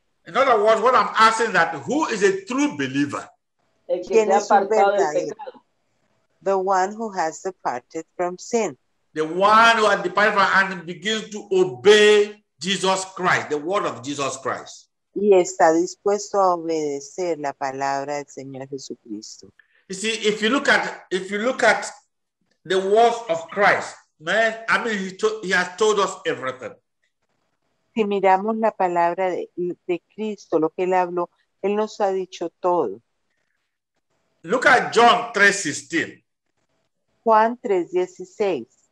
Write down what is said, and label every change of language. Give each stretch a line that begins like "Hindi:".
English: In other words, what I'm asking is that who is a true believer?
Spanish: ¿Quién es un verdadero?
English: The one who has departed from sin. The one who has departed from and begins to obey Jesus Christ, the word of Jesus Christ.
Spanish: Y está dispuesto a obedecer la palabra del Señor Jesucristo.
English: You see, if you look at the words of Christ, man, I mean, he has told us everything.
Spanish: Si miramos la palabra de Cristo, lo que él habló, él nos ha dicho todo.
English: Look at John 3:16.
Spanish: Juan 3:16.